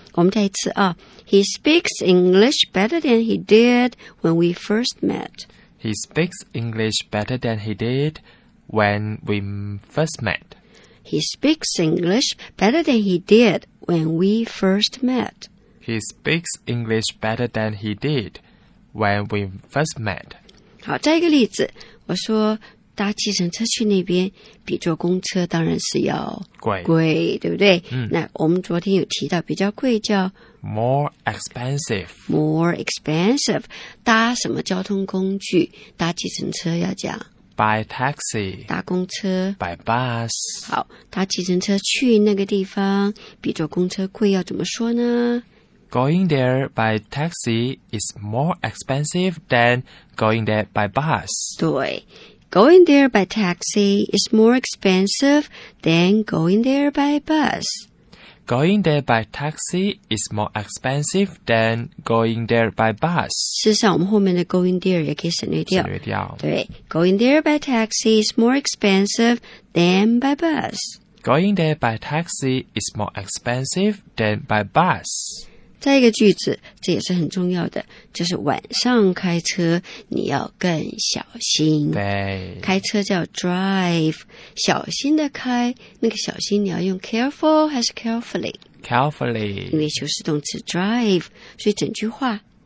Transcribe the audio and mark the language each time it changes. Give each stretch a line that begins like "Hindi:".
English: 我们再一次啊，He speaks English better than he did when we first met. He speaks English better than he did when we first met. He speaks English better than he did when we first met. He speaks English better than he did when we first met.
Chinese: 好，再一个例子，我说搭计程车去那边比坐公车当然是要贵，对不对、嗯、那我们昨天有提到比较贵叫
English: more expensive. More expensive. 搭什么交通工具？
Chinese: 搭计程车要讲
English: by taxi.
Chinese: 搭公车
English: by bus.
Chinese: 好，搭计程车去那个地方比坐公车贵要怎么说呢？
English: Going there by taxi is more expensive than going there by bus. 对 ,going there by taxi is more expensive than going there by bus. Going there by taxi is more expensive than going there by bus.
Chinese: 事实上我们后面的 going there 也可以省略掉。省略掉。
English: 对 ,going there by taxi is more expensive than by bus. Going there by taxi is more expensive than by bus.
Chinese: 再一个句子，这也是很重要的，就是晚上开车你要更小心。对，开车叫 drive， 小心的开，那个小心你要用 careful 还是 carefully？
English: Carefully，
Chinese: 因为修饰动词 drive， 所以整句话